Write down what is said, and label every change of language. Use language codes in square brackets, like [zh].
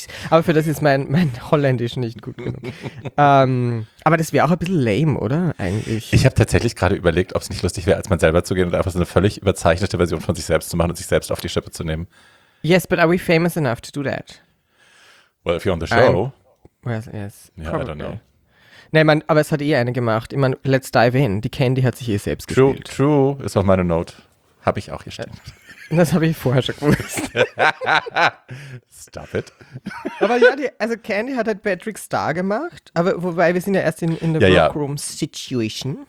[de] Aber für das ist mein Holländisch nicht gut genug. aber das wäre auch ein bisschen lame, oder? Eigentlich. Ich habe tatsächlich gerade überlegt, ob es nicht lustig wäre, als man selber zu gehen und einfach so eine völlig überzeichnete Version von sich selbst zu machen und sich selbst auf die Schippe zu nehmen. [en] Yes, but are we famous enough to do that? Well, if you're on the show. Well, yes. Yeah, probably. I don't know. [de] Nein, aber es hat eh eine gemacht. Ich meine, [en] let's dive in. [de] Die Candy hat sich eh selbst [en] true, [de] gespielt. True, ist auch meine Note. Habe ich auch gestellt. Das habe ich vorher schon gewusst. [en] Stop it. [de] Aber ja, Candy hat halt Patrick Star gemacht. Aber wobei, wir sind ja erst in der Workroom Situation.